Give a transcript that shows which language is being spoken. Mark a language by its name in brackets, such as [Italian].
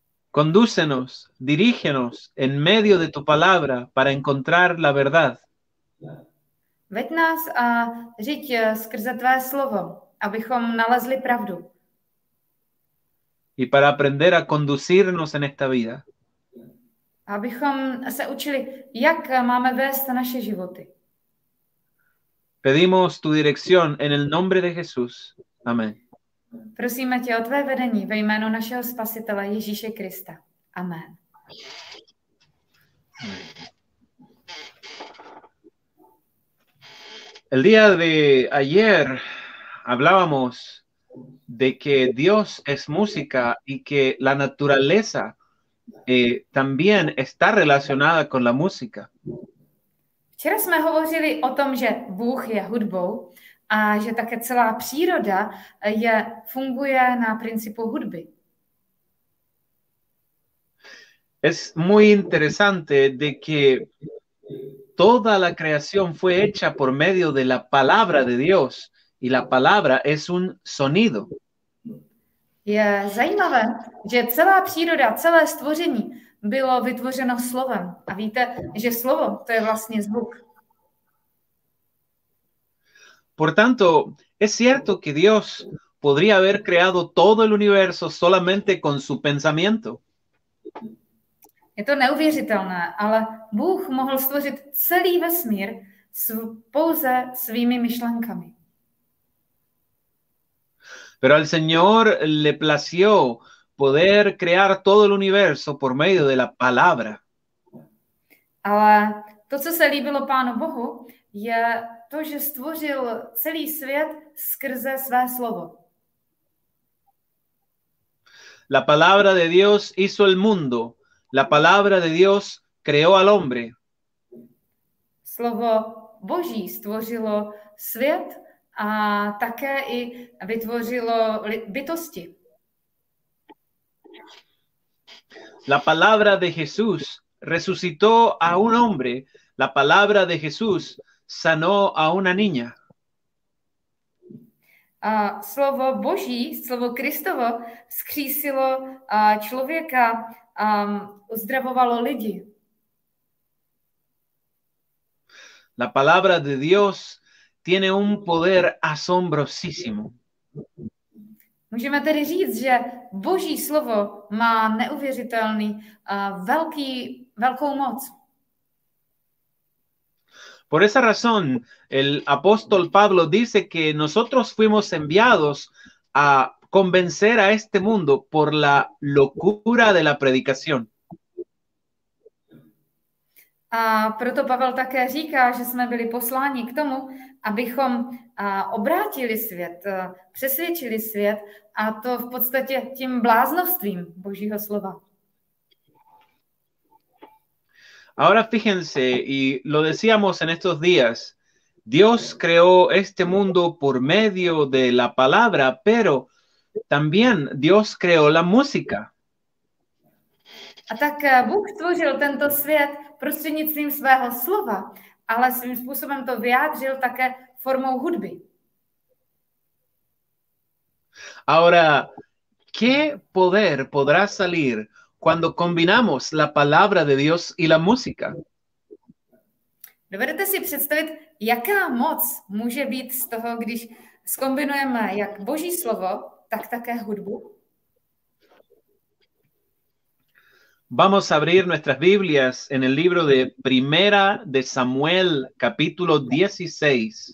[Spanish] Condúcenos, dirígenos en medio de tu palabra para encontrar la verdad. [Czech] Veď nás a řiď skrze tvé slovo, abychom nalezli pravdu. [Spanish] Y para aprender a conducirnos en esta vida. [Czech] Abychom se učili, jak máme vést naše životy. [Spanish] Pedimos tu dirección en el nombre de Jesús. Amén. [Czech] Prosíme tě o tvé vedení ve jménu našeho spasitele Ježíše Krista. Amen. [Spanish] El día de ayer hablábamos de que Dios es música y que la naturaleza también está relacionada con la música. [Czech] Včera jsme hovořili o tom, že Bůh je hudbou a že také celá příroda funguje na principu hudby. [Spanish] Es muy interesante de que toda la creación fue hecha por medio de la palabra de Dios y la palabra es un sonido. [Czech] Je zajímavé, že celá příroda, celé stvoření bylo vytvořeno slovem. A víte, že slovo to je vlastně zvuk. [Spanish] Por tanto, es cierto que Dios podría haber creado todo el universo solamente con su pensamiento. [Czech] Je to neuvěřitelné, ale Bůh mohl stvořit celý vesmír pouze svými myšlenkami. [Spanish] Pero al Señor le plació poder crear todo el universo por medio de la palabra. [Czech] Ale to, co se líbilo Pánu Bohu, je to, že stvořil celý svět skrze své slovo. [Spanish] La palabra de Dios hizo el mundo. La palabra de Dios creó al hombre. [Czech] Slovo Boží stvořilo svět a také i vytvořilo bytosti. [Spanish] La palabra de Jesús resucitó a un hombre. La palabra de Jesús sanó a una niña. [Czech] A slovo Boží, slovo Kristovo, vzkřísilo člověka, uzdravovalo lidi. [Spanish] La palabra de Dios tiene un poder asombrosísimo. [Czech] Můžeme tedy říct, že Boží slovo má neuvěřitelný velkou moc. [Spanish] Por esa razón, el apóstol Pablo dice que nosotros fuimos enviados a convencer a este mundo por la locura de la predicación. [Czech] A proto Pavel také říká, že jsme byli posláni k tomu, abychom obrátili svět, přesvědčili svět, a to v podstatě tím bláznovstvím Božího slova. [Spanish] Ahora fíjense, y lo decíamos en estos días, Dios creó este mundo por medio de la palabra, pero también Dios creó la música. [Czech] A tak Bůh tvořil tento svět prostřednictvím svého slova, ale svým způsobem to vyjádřil také formou hudby. [Spanish] Ahora, ¿qué poder podrá salir cuando combinamos la palabra de Dios y la música? [Czech] Dovedete si představit, jaká moc může být z toho, když zkombinujeme jak Boží slovo, tak také hudbu? [Spanish] Vamos a abrir nuestras Biblias en el libro de Primera de Samuel, capítulo 16.